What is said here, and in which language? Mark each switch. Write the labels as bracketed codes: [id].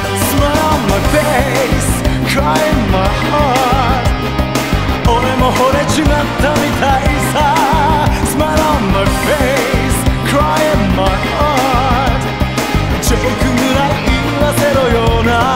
[en] Smile on my face, cry in my heart. [ja] 俺も惚れちまったみたいさ。 [en] Smile on my face, cry in my heart. [ja] ジョークぐらい言わせろよな。